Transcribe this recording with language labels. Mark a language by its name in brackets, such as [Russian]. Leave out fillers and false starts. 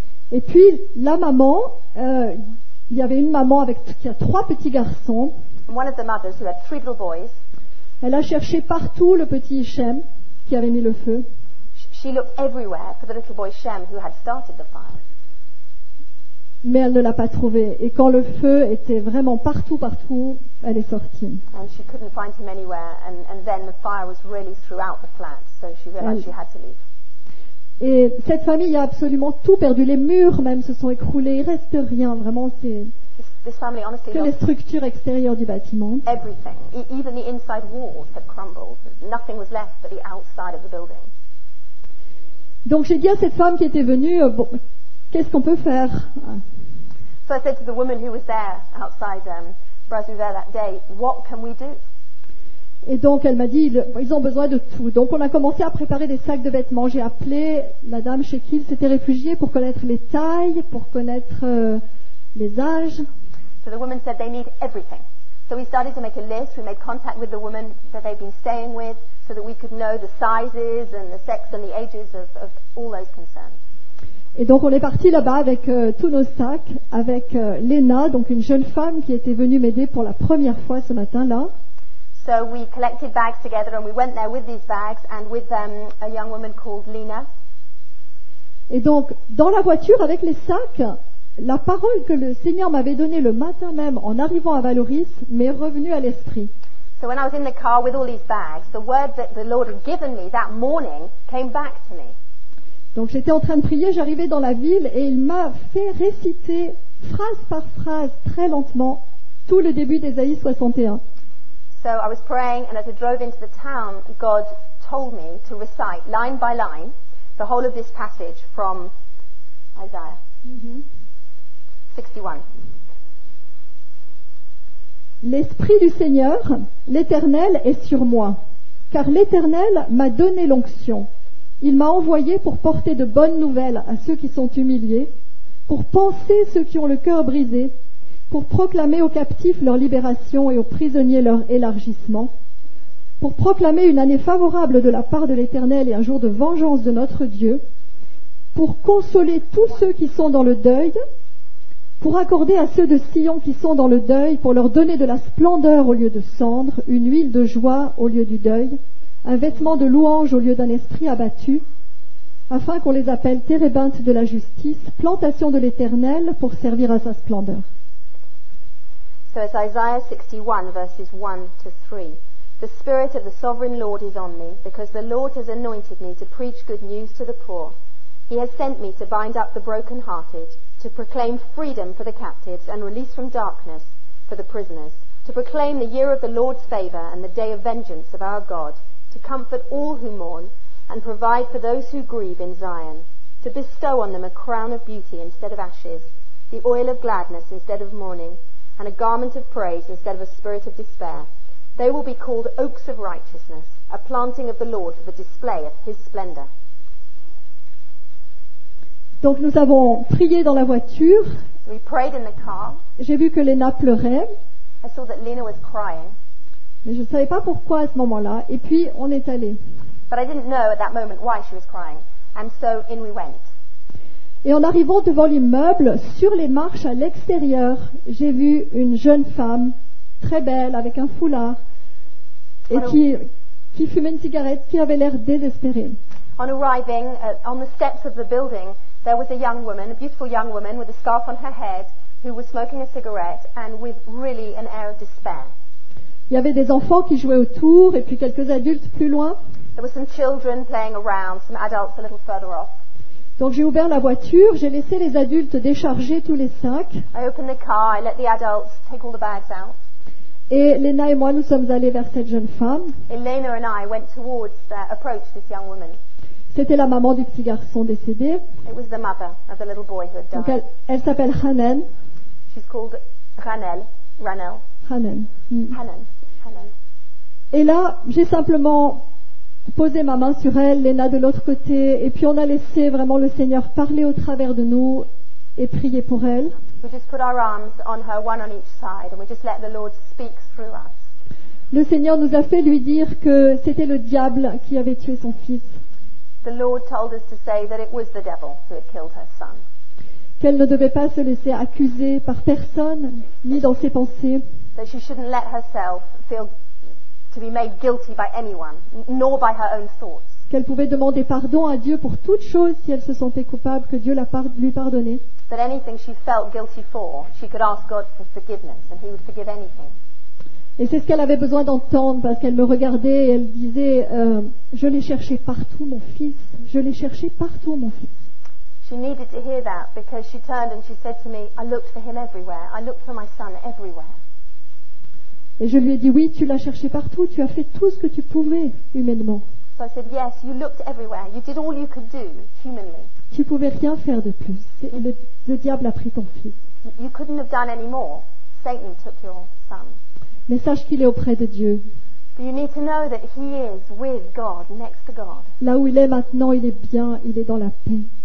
[French] Et puis la maman, il y avait une maman avec qui a 3 petits garçons. [English] One of the mothers who had 3 little boys. [French] Elle a cherché partout le petit Shem qui avait mis le feu. [English] She looked everywhere for the little boy Shem who had started the fire. [French] Mais elle ne l'a pas trouvé. Et quand le feu était vraiment partout, elle est sortie. [English] And she couldn't find him anywhere, and then the fire was really throughout the flat, so she realized she had to leave. [French] Et cette famille a absolument tout perdu. Les murs même se sont écroulés. Il ne reste rien, vraiment. C'est que les structures extérieures du bâtiment. [English] Everything. Even the inside walls had crumbled. Nothing was left but the outside of the building. [French] Donc j'ai dit à cette femme qui était venue, bon, qu'est-ce qu'on peut faire? [English] So I said to the woman who was there outside Brazzaville that day, what can we do? [French] Et donc elle m'a dit, ils ont besoin de tout. Donc on a commencé à préparer des sacs de vêtements. J'ai appelé la dame chez qui ils s'étaient réfugiés pour connaître les tailles, pour connaître les âges. [English] So the woman said they need everything. So we started to make a list. We made contact with the woman that they'd been staying with so that we could know the sizes and the sex and the ages of all those concerned. [French] Et donc on est parti là-bas avec tous nos sacs, avec Lena, donc une jeune femme qui était venue m'aider pour la première fois ce matin-là. [English] So we collected bags together and we went there with these bags and with a young woman called Lena. [French] Et donc dans la voiture avec les sacs, la parole que le Seigneur m'avait donnée le matin même en arrivant à Valoris m'est revenue à l'esprit. [English] So when I was in the car with all these bags, the word that the Lord had given me that morning came back to me. [French] Donc j'étais en train de prier, j'arrivais dans la ville et il m'a fait réciter phrase par phrase très lentement tout le début d'Ésaïe 61. [English] So I was praying and as I drove into the town, God told me to recite line by line the whole of this passage from Isaiah. Mm-hmm. 61. [French] L'Esprit du Seigneur, l'Éternel, est sur moi, car l'Éternel m'a donné l'onction. Il m'a envoyé pour porter de bonnes nouvelles à ceux qui sont humiliés, pour panser ceux qui ont le cœur brisé, pour proclamer aux captifs leur libération et aux prisonniers leur élargissement, pour proclamer une année favorable de la part de l'Éternel et un jour de vengeance de notre Dieu, pour consoler tous ceux qui sont dans le deuil, pour accorder à ceux de Sion qui sont dans le deuil, pour leur donner de la splendeur au lieu de cendre, une huile de joie au lieu du deuil, un vêtement de louange au lieu d'un esprit abattu, afin qu'on les appelle térébintes de la justice, plantation de l'Éternel pour servir à sa splendeur. [English] So it's Isaiah 61, verses 1 to 3. The Spirit of the Sovereign Lord is on me, because the Lord has anointed me to preach good news to the poor. He has sent me to bind up the brokenhearted, to proclaim freedom for the captives and release from darkness for the prisoners, to proclaim the year of the Lord's favor and the day of vengeance of our God, to comfort all who mourn and provide for those who grieve in Zion, to bestow on them a crown of beauty instead of ashes, the oil of gladness instead of mourning, and a garment of praise instead of a spirit of despair. They will be called oaks of righteousness, a planting of the Lord for the display of his splendor. [French] Donc nous avons prié dans la voiture. [English] We prayed in the car. [French] J'ai vu que Lena pleurait. [English] I saw that Lena was crying. [French] Mais je ne savais pas pourquoi à ce moment-là. Et puis on est allé. [English] But I didn't know at that moment why she was crying. And so in we went. [French] Et en arrivant devant l'immeuble, sur les marches à l'extérieur, j'ai vu une jeune femme très belle avec un foulard et qui fumait une cigarette, qui avait l'air désespérée. [English] On arriving on the steps of the building, there was a young woman, a beautiful young woman with a scarf on her head, who was smoking a cigarette and with really an air of despair. [French] Il y avait des enfants qui jouaient autour et puis quelques adultes plus loin. [English] There were some children playing around, some adults a little further off. [French] Donc j'ai ouvert la voiture, j'ai laissé les adultes décharger tous les sacs. [English] I opened the car, I let the adults take all the bags out. [French] Et Lena et moi nous sommes allés vers cette jeune femme. [English] Elena and I went towards approached this young woman. [French] C'était la maman du petit garçon décédé. [English] It was the mother of the little boy who had died. [French] Donc elle s'appelle Hanen. [English] She's called Ranel. Hanen. Mm. Hanen. [French] Et là, j'ai simplement posé ma main sur elle, Lena de l'autre côté, et puis on a laissé vraiment le Seigneur parler au travers de nous et prier pour elle. [English] We just put our arms on her, one on each side, and we just let the Lord speak through us. [French] Le Seigneur nous a fait lui dire que c'était le diable qui avait tué son fils. [English] The Lord told us to say that it was the devil who had killed her son. [French] Qu'elle ne devait pas se laisser accuser par personne, ni dans ses pensées. [English] That she shouldn't let herself feel to be made guilty by anyone, nor by her own thoughts. [French] Qu'elle pouvait demander pardon à Dieu pour toute chose si elle se sentait coupable, que Dieu lui pardonnait. [English] That anything she felt guilty for, she could ask God for forgiveness, and He would forgive anything. [French] Et c'est ce qu'elle avait besoin d'entendre parce qu'elle me regardait et elle disait je l'ai cherché partout mon fils, je l'ai cherché partout mon fils. [English] She needed to hear that because she turned and she said to me, I looked for him everywhere, I looked for my son everywhere. [French] Et je lui ai dit oui, tu l'as cherché partout, tu as fait tout ce que tu pouvais humainement. [English] So I said, yes, you looked everywhere. You did all you could do, humanly. [French] Tu pouvais rien faire de plus. Le diable a pris ton fils. [English] You couldn't have done any more. Satan took your son. [French] Mais sache qu'il est auprès de Dieu. [English] But you need to know that he is with God, next to God. [French] Là où il est maintenant, il est bien, il est dans la paix.